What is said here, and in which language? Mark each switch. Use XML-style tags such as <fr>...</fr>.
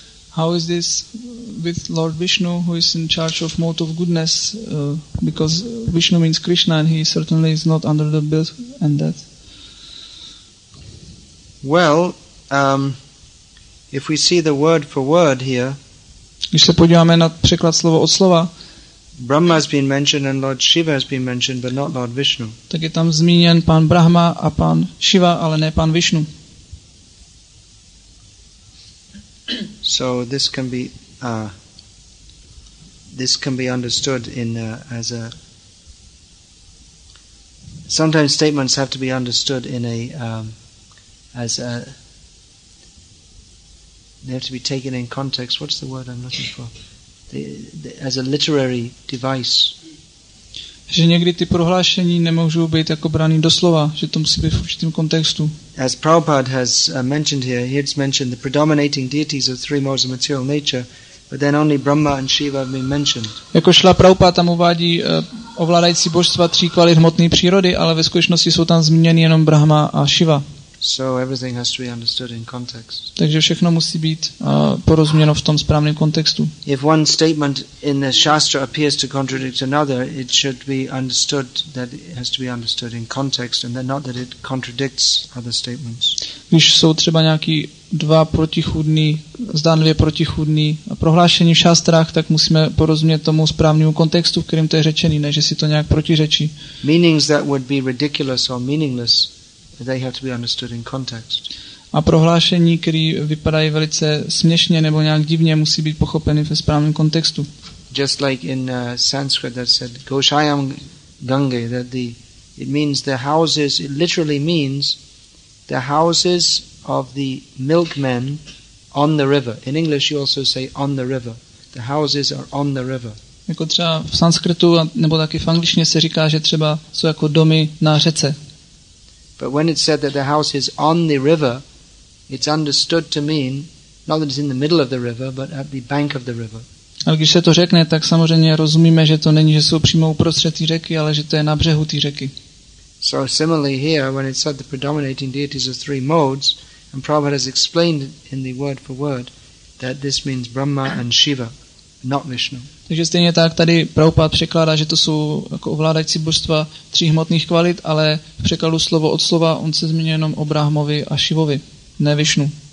<en>How is this with Lord Vishnu, who is in charge of mode of goodness, because Vishnu means Krishna and he certainly is not under the birth and death? Well, if we see the word for word here,</en> <cs>když se podíváme na překlad slovo od slova,</cs> <en>Brahma has been mentioned and Lord Shiva has been mentioned, but not Lord Vishnu.</en> <cs>Tak je tam zmíněn pán Brahma a pán Shiva, ale ne pán Vishnu.</cs> <en>So this can be understood in as a, sometimes statements have to be understood in a as a, they have to be taken in context. What's the word I'm looking for? As a literary device.</en> <cs>Že někdy ty prohlášení nemohou být jako brány doslova, že to musí být v určitém kontextu.</cs> <en>As Prabhupada has mentioned here, he has mentioned the predominating deities of three modes of material nature, but then only Brahma and Shiva have been mentioned.</en> <cs>Jako šla Prabhupada tam uvádí ovládající božstva tří kvalit hmotné přírody, ale ve skutečnosti jsou tam zmíněny jenom Brahma a Shiva.</cs> <en>So everything has to be understood in context.</en> <cs>Takže všechno musí být porozuměno v tom správném kontextu.</cs> <en>If one statement in the shastra appears to contradict another, it should be understood that it has to be understood in context and not that it contradicts other statements.</en> <cs>Když jsou třeba nějaký dva protichůdný, zdánlivě protichůdný prohlášení v šástrách, tak musíme porozumět tomu správnému kontextu, v kterém to je řečený, ne že si to nějak protiřečí.</cs> <en>Meanings that would be ridiculous or meaningless, they have to be understood in context.</en> <cs>A prohlášení, které vypadají velice směšně nebo nějak divně, musí být pochopeny ve správném kontextu.</cs> <en>Just like in Sanskrit that said Goshayam Gange, that the it means the houses, it literally means the houses of the milkmen on the river. In English you also say on the river. The houses are on the river.</en> <cs>Jako třeba v sanskritu nebo taky v angličtině se říká, že třeba jsou jako domy na řece.</cs> <en>But when it's said that the house is on the river, it's understood to mean not that it's in the middle of the river, but at the bank of the river.</en> <cs>Ale když se to řekne, tak samozřejmě rozumíme, že to není, že jsou přímo uprostřed té řeky, ale že to je na břehu té řeky.</cs> <en>So similarly here, when it's said the predominating deities are three modes, and Prabhupada has explained in the word for word that this means Brahma and Shiva, not Vishnu.</en> <cs>Takže stejně tak tady Prabhupada překládá, že to jsou jako ovládající božstva tří hmotných kvalit, ale v překladu slovo od slova on se zmiňuje jenom o Brahmovi a Šivovi, ne Višnu.</cs>